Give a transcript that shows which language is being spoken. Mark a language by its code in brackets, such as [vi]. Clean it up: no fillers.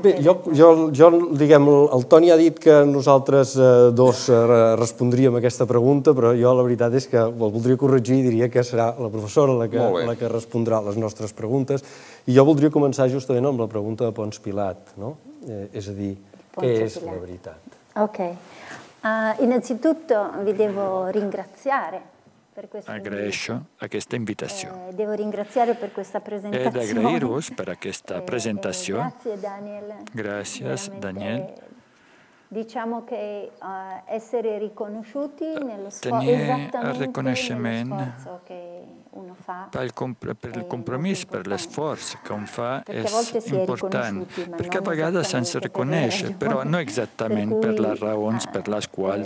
[ca] Bé, jo diguem, el Toni ha dit que nosaltres dos respondríem aquesta pregunta, però jo la veritat és que el voldria corregir i diria que serà la professora la que respondrà les nostres preguntes. I jo voldria començar justament amb la pregunta de Ponç Pilat, no? És a dir, què és la veritat? Ok. [it] Innanzitutto vi devo ringraziare. [ca] Agraeixo aquesta invitació. [it] Devo ringraziare per questa presentazione. [ca] He d'agrair-vos per aquesta presentació. [it] Grazie, Daniel. [ca] Gràcies, Daniel. [it] Diciamo che essere riconosciuti nello sforzo, tenere riconoscimento nello sforzo che uno fa per il, per il compromesso, per lo sforzo che uno fa, perché è importante. Perché a volte si è riconosciuti, però non esattamente per la ragione per la quale